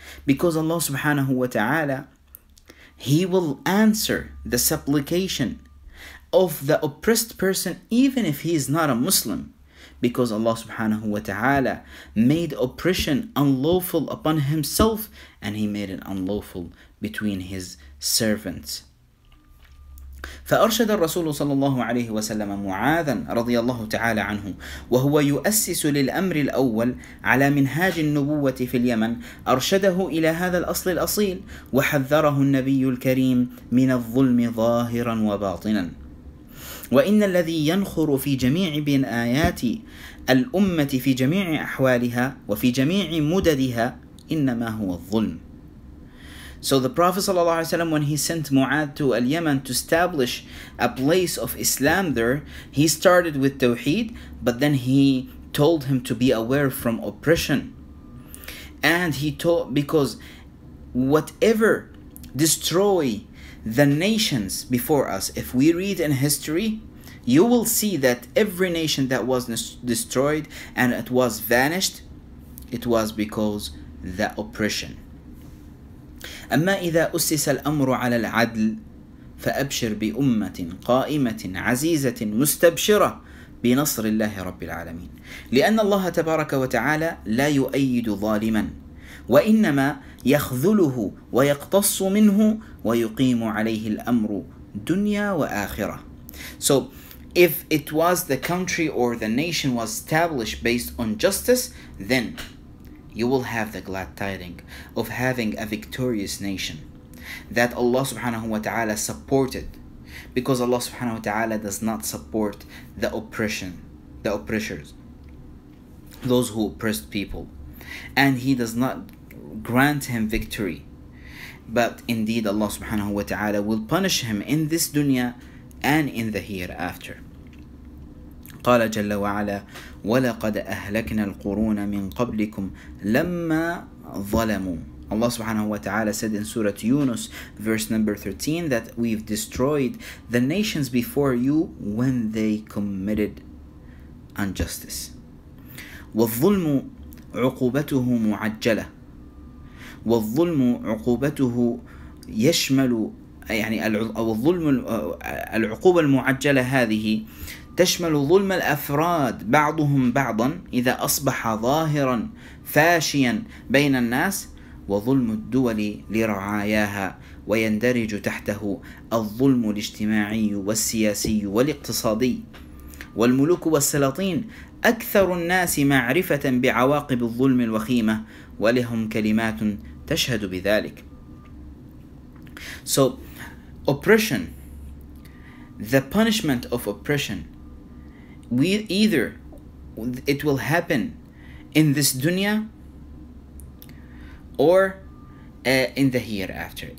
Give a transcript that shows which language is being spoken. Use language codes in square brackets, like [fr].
[en] Because Allah subhanahu wa ta'ala, he will answer the supplication of the oppressed person even if he is not a Muslim, because Allah subhanahu wa ta'ala made oppression unlawful upon himself, and he made it unlawful between his servants. [ar] فأرشد الرسول صلى الله عليه وسلم معاذا رضي الله تعالى عنه وهو يؤسس للأمر الأول على منهاج النبوة في اليمن, أرشده إلى هذا الأصل الأصيل وحذره النبي الكريم من الظلم ظاهرا وباطنا. وإن الذي ينخر في جميع بين آيات الأمة في جميع أحوالها وفي جميع مددها إنما هو الظلم. [en] So the Prophet ﷺ, when he sent Mu'adh to al-Yaman to establish a place of Islam there, he started with Tawheed, but then he told him to be aware from oppression. And he taught, because whatever destroy the nations before us, if we read in history, you will see that every nation that was destroyed and it was vanished, it was because the oppression. [ar] أما إذا أسس الأمر على العدل فأبشر بأمة قائمة عزيزة مستبشرة بنصر الله رب العالمين. لأن الله تبارك وتعالى لا يؤيد ظالما، وإنما يخذله ويقتص منه ويقيم عليه الأمر دنيا وآخرة. [en] So if it was the country or the nation was established based on justice, then you will have the glad tiding of having a victorious nation that Allah subhanahu wa ta'ala supported, because Allah subhanahu wa ta'ala does not support the oppression, the oppressors, those who oppressed people, and he does not grant him victory. But indeed Allah subhanahu wa ta'ala will punish him in this dunya and in the hereafter. [ar] قال جل وعلا وَلَقَدْ أَهْلَكْنَا الْقُرُونَ مِنْ قَبْلِكُمْ لَمَّا ظَلَمُوا. [en] Allah subhanahu wa ta'ala said in Surah Yunus, verse number 13, that we've destroyed the nations before you when they committed injustice. [ar] وَالظُّلْمُ عُقُوبَتُهُ مُعَجَّلَةٌ وَالظُّلْمُ عُقُوبَتُهُ يَشْمَلُ يعني الظلم العقوبة المعجلة هذه تشمل ظلم الأفراد بعضهم بعضا إذا أصبح ظاهرا فاشيا بين الناس، وظلم الدول لرعاياها، ويندرج تحته الظلم الاجتماعي والسياسي والاقتصادي. والملوك والسلاطين أكثر الناس معرفة بعواقب الظلم الوخيمة، ولهم كلمات تشهد بذلك. [en] So oppression, the punishment of oppression, we either it will happen in this dunya or in the hereafter.